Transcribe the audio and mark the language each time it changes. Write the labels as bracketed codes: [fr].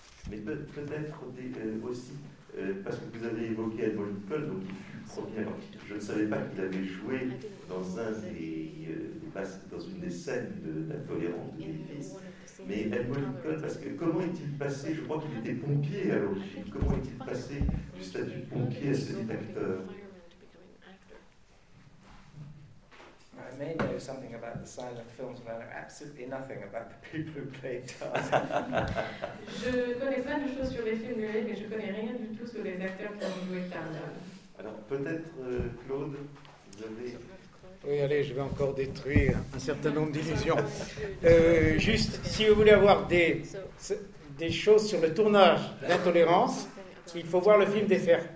[fr] Mais peut-être aussi, parce que vous avez évoqué Edmond Lincoln, donc il fut premier. Je ne savais pas qu'il avait joué dans, dans une des scènes de Napoléon de Davis. Mais Edmond Lincoln, parce que comment est-il passé, je crois qu'il était pompier à l'origine, comment est-il passé du statut de pompier à celui d'acteur? [en] I may know something about the silent films, but I know absolutely nothing about the people who played Tarzan. [fr] Je connais pas de choses sur les films muets, mais je connais rien du tout sur les acteurs qui ont joué Tarzan. Alors peut-être Claude, vous avez. Oui, allez, je vais encore détruire un certain nombre d'illusions. Juste, si vous voulez avoir des choses sur le tournage d'Intolérance, il faut voir le film des fers.